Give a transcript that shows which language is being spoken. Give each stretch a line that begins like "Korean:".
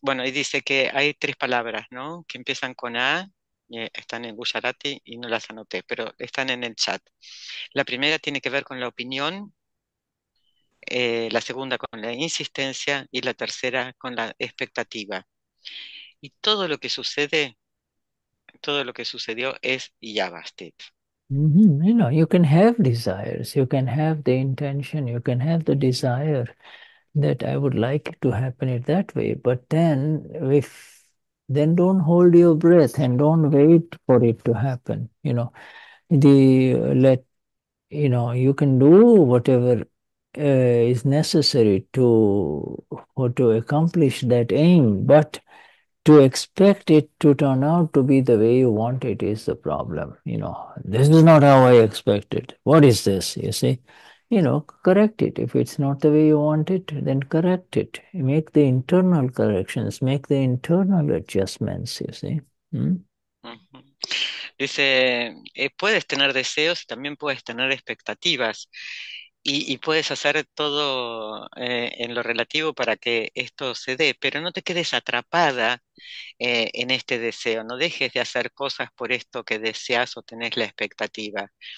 Spanish: Bueno, y dice que hay tres palabras, ¿no? Que empiezan con A, están en Gujarati y no las anoté, pero están en el chat. La primera tiene que ver con la opinión, la segunda con la insistencia y la tercera con la expectativa. Y todo lo que sucede, todo lo que sucedió es yavastit.
English: You can have desires, you can have the intention, you can have the desire that I would like it to happen it that way. But then, if then don't hold your breath and don't wait for it to happen. You can do whatever is necessary to or to accomplish that aim, but to expect it to turn out to be the way you want it is the problem. This is not how I expected. What is this? You see, correct it. If it's not the way you want it, then correct it. Make the internal corrections, make the internal adjustments, you see.
Spanish: Dice, puedes tener deseos y también puedes tener expectativas y puedes hacer todo en lo relativo para que esto se dé, pero no te quedes atrapada en este deseo, no dejes de hacer cosas por esto que deseas o tenés la expectativa.